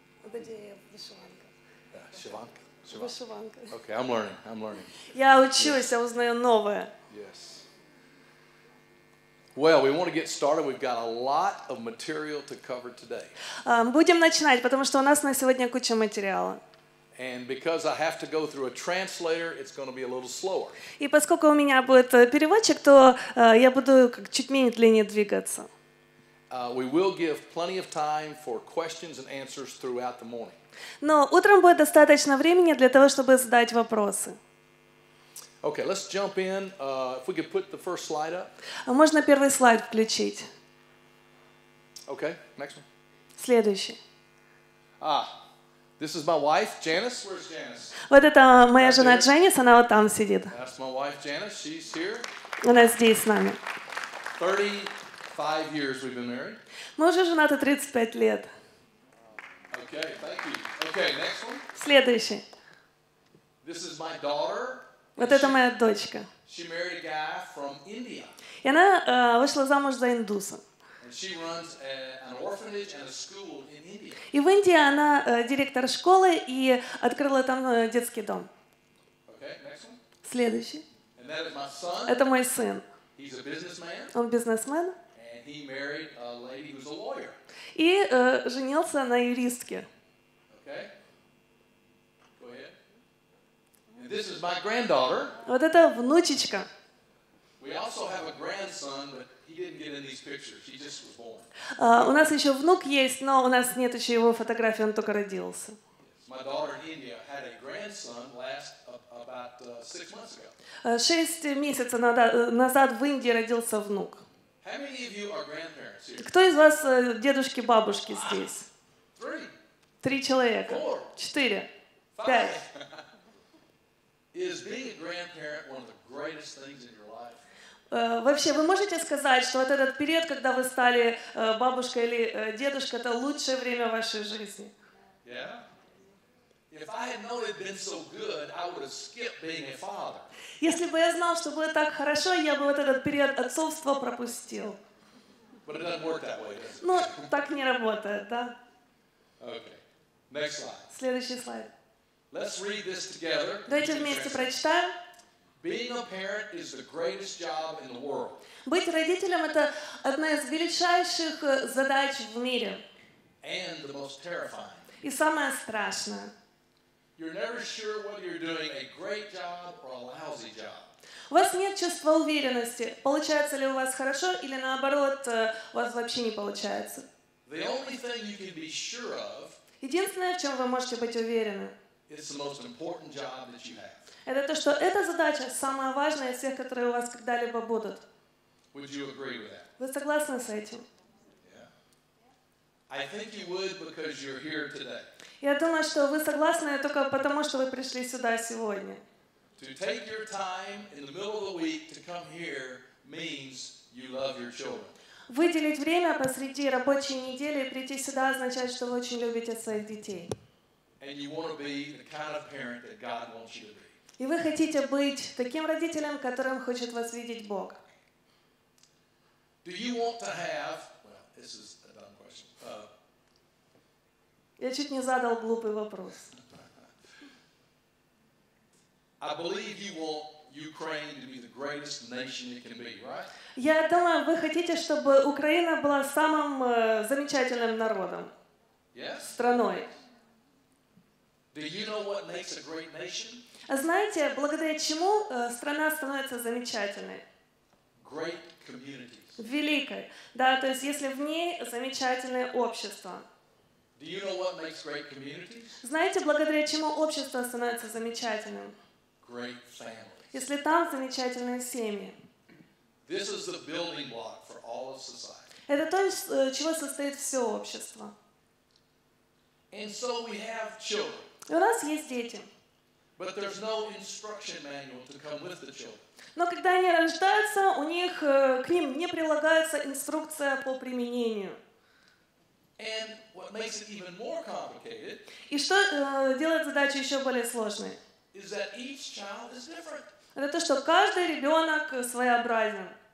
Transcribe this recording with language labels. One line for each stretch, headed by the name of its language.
English: Вишиванка. Okay, I'm learning.
Russian: Я учусь, я узнаю новое.
English: Yes. Well, we want to get started. We've got a lot of material to cover today.
Russian: Будем начинать, потому что у нас на сегодня куча материала.
English: And because I have to go through a translator, it's going to be a little slower.
Russian: И поскольку у меня будет переводчик, то я буду чуть медленнее двигаться.
English: We will give plenty of time for questions and answers throughout the morning.
Russian: Но утром будет достаточно времени для того, чтобы задать вопросы.
English: Okay, let's jump in. If we could put the first slide up.
Russian: Можно первый слайд включить.
English: Okay, next one.
Russian: Следующий.
English: Ah, this is my wife, Janice. Where's Janice?
Russian: Вот это моя жена Дженнис, она вот там сидит.
English: That's my wife, Janice. She's here.
Russian: Она здесь с нами.
English: 35 years we've been married.
Russian: Мы уже женаты 35 лет.
English: Okay, thank you. Okay, next one.
Russian: Следующий.
English: This is my daughter.
Russian: Вот это моя дочка.
English: She married a guy from India.
Russian: И она вышла замуж за индуса.
English: And she runs an orphanage and a school in India.
Russian: И в Индии она директор школы и открыла там детский дом.
English: Okay, next one.
Russian: Следующий.
English: And that is my son.
Russian: Это мой сын.
English: He's a businessman.
Russian: Он бизнесмен.
English: And he married a lady who's a lawyer.
Russian: И женился на юристке.
English: Okay. This is my granddaughter.
Russian: Вот это внучечка.
English: We also have a grandson, but he didn't get in these pictures. He just was born.
Russian: У нас еще внук есть, но у нас нет еще его фотографии, он только родился.
English: My daughter in India had a grandson last about 6 months ago.
Russian: 6 месяцев назад в Индии родился внук.
English: How many of you are grandparents here?
Russian: Кто из вас дедушки, бабушки здесь? Три человека. Четыре. Пять.
English: Is being a grandparent one of the greatest things in your life?
Russian: Вообще, вы можете сказать, что вот этот период, когда вы стали бабушкой или дедушкой, это лучшее время в вашей жизни?
English: Yeah. If I had known it'd been so good, I would have skipped being a father.
Russian: Если бы я знал, что было так хорошо, я бы вот этот период отцовства пропустил.
English: But it doesn't work that way, does it?
Russian: Ну, так не работает, да?
English: Okay. Next slide.
Russian: Следующий слайд.
English: Let's read this together.
Russian: Давайте вместе прочитаем.
English: Being a parent is the greatest job in the world.
Russian: Быть родителем — это одна из величайших задач в мире.
English: And the most terrifying.
Russian: И самое страшное.
English: You're never sure whether you're doing a great job or a lousy job.
Russian: У вас нет чувства уверенности, получается ли у вас хорошо или наоборот, у вас вообще не получается.
English: The only thing you can be sure of.
Russian: Единственное, в чем вы можете быть уверены.
English: It's the most important job that you have.
Russian: Это то, что эта задача самая важная из всех, которые у вас когда-либо будут.
English: Would you agree with that?
Russian: Вы согласны с этим?
English: Yeah. I think you would because you're here today.
Russian: Я думаю, что вы согласны только потому, что вы пришли сюда сегодня.
English: To take your time in the middle of the week to come here means you love your children.
Russian: Выделить время посреди рабочей недели и прийти сюда означает, что вы очень любите своих детей.
English: And you want to be the kind of parent that God wants you to be.
Russian: И вы хотите быть таким родителем, которым хочет вас видеть Бог.
English: Do you want to have? Well, this is a dumb question.
Russian: Я чуть не задал глупый вопрос.
English: I believe you want Ukraine to be the greatest nation it can be, right?
Russian: Я думаю, вы хотите, чтобы Украина была самым замечательным народом, страной.
English: Do you know what makes a great nation?
Russian: Знаете, благодаря чему страна становится замечательной?
English: Great communities.
Russian: Великой. Да, то есть если в ней замечательное общество.
English: Do you know what makes great communities?
Russian: Знаете, благодаря чему общество становится замечательным?
English: Great families.
Russian: Если там замечательные семьи.
English: This is the building block for all of society.
Russian: Это то, из чего состоит все общество.
English: And so we have children.
Russian: У нас есть дети.
English: But there's no instruction manual to come with the children.
Russian: Но когда они рождаются, у них к ним не прилагается инструкция по применению.
English: And what makes it even more complicated?
Russian: И что делает задачу еще более сложной?
English: Is that each child is different?
Russian: Это то, что каждый ребенок своеобразен.